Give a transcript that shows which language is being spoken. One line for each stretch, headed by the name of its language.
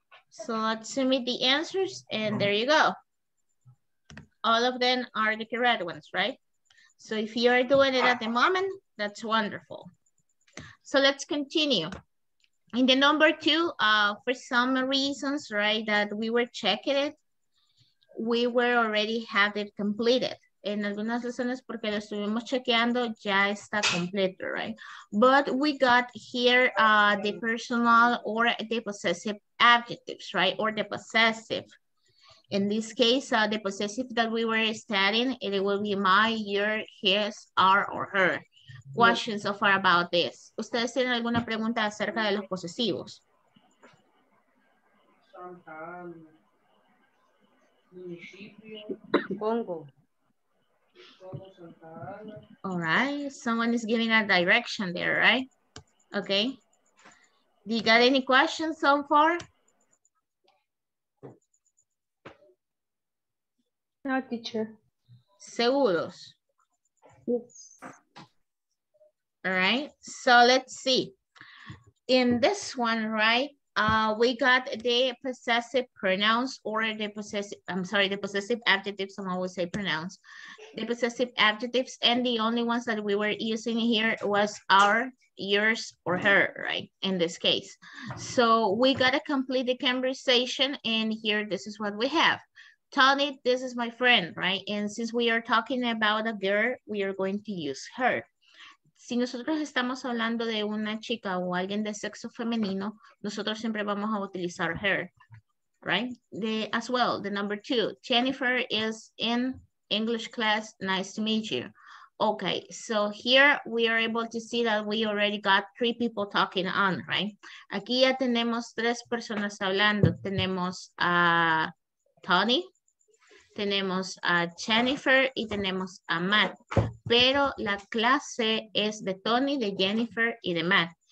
English: So let's submit the answers, and there you go. All of them are the correct ones, right? So if you are doing it at the moment, that's wonderful. So let's continue. In the number two, for some reasons, right, that we were checking it, we were already had it completed.
Spanish: En algunas lesiones porque lo estuvimos chequeando, ya está completo,
English: right? But we got here the personal or the possessive adjectives, right? Or the possessive. In this case, the possessive that we were studying, it will be my, your, his, our, or her. Questions so far about this.
Spanish: ¿Ustedes tienen alguna pregunta acerca de los posesivos?
English: All right, someone is giving a direction there, right? Okay. Do you got any questions so far? No, teacher.
Spanish: ¿Seguros?
English: Yes. All right, so let's see. In this one, right, We got the possessive pronouns or the possessive, I'm sorry, the possessive adjectives, I'm always say pronouns, the possessive adjectives, and the only ones that we were using here was our, yours, or her, right, in this case. So we got to complete the conversation, and here, this is what we have. Tony, this is my friend, right? And since we are talking about a girl, we are going to use her.
Spanish: Si nosotros estamos hablando de una chica o alguien de sexo femenino, nosotros siempre vamos a utilizar her,
English: right? The, as well, the number two, Jennifer is in English class. Nice to meet you. Okay, so here we are able to see that we already got three people talking on, right?
Spanish: Aquí ya tenemos tres personas hablando. Tenemos a Tony, tenemos a Jennifer y tenemos a Matt. Pero la clase es de Tony, de Jennifer y de Matt.